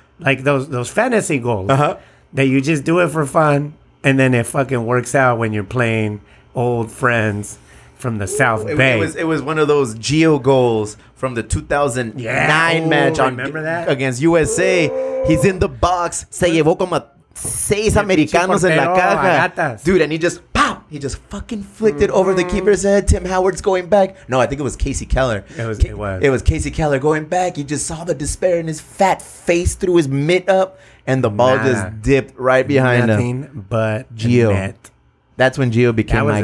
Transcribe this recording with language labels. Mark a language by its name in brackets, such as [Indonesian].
[English] Like those fantasy goals that you just do it for fun, and then it fucking works out when you're playing old friends from the South Bay. It was one of those geo goals from the 2009 match on against USA. Ooh. He's in the box. [Spanish] Se llevó como seis americanos en la caja. [English] Dude, and he just, pow! He just fucking flicked it over the keeper's head. Tim Howard's going back. No, I think it was Casey Keller. It was Casey Keller going back. You just saw the despair in his fat face through his mitt up, and the ball just dipped right behind nothing him. Nothing but geo. That's when Gio became my guy.